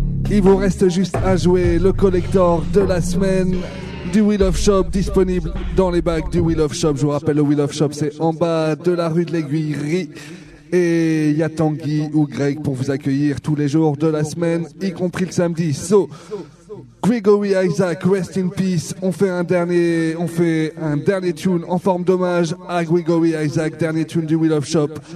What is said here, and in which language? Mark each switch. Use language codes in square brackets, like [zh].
[fr] Il vous reste juste à jouer le collector de la semaine du Wheel of Shop, disponible dans les bacs du Wheel of Shop. Je vous rappelle, le Wheel of Shop, c'est en bas de la rue de l'Aiguillerie. Et il y a Tanguy ou Greg pour vous accueillir tous les jours de la semaine, y compris le samedi. [en] So, Gregory Isaac, rest in peace. [fr] On fait un dernier tune en forme d'hommage à Gregory Isaac, dernier tune du Wheel of Shop.